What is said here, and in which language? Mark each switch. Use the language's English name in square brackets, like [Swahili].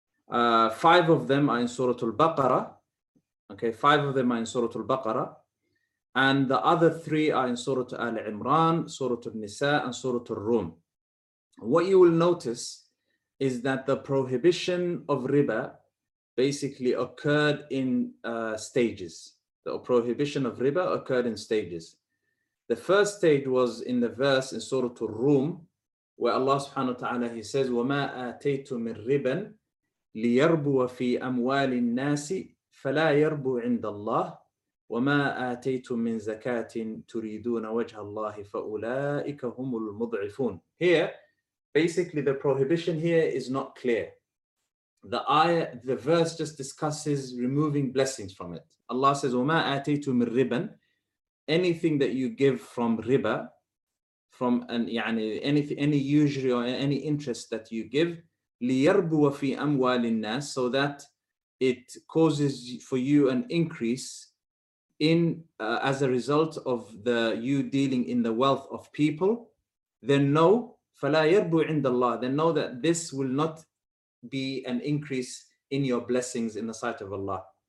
[English] 5 of them are in Surah Al-Baqarah, okay, 5 of them are in Surah Al-Baqarah, and the other 3 are in Surah Al-Imran, Surah Al-Nisa, and Surah Al-Rum. What you will notice is that the prohibition of riba basically occurred in stages. The prohibition of riba occurred in stages. The first stage was in the verse in Surah Al-Rum, where Allah subhanahu wa ta'ala, he says, [Arabic] وَمَا آتَيْتُ مِنْ رِبًا لِيَرْبُوَ فِي أَمْوَالِ النَّاسِ فَلَا يَرْبُوا عِنْدَ اللَّهِ وَمَا آتَيْتُم مِّن زَكَاةٍ تُرِيدُونَ وَجْهَ اللَّهِ فَأُولَٰئِكَ هُمُ الْمُضْعِفُونَ. [English] Here, basically the prohibition here is not clear. The ayah, the verse just discusses removing blessings from it. Allah says, [Arabic] وَمَا آتَيْتُم مِّن رِبًا, [English] anything that you give from riba, from any usury or any interest that you give, [Arabic] لِيَرْبُوَ فِي أَمْوَالِ النَّاسِ, [English] so that it causes for you an increase in as a result of the you dealing in the wealth of people, then know, [Arabic] فَلَا يَرْبُوا عِنْدَ اللَّهِ, [English] then know that this will not be an increase in your blessings in the sight of Allah.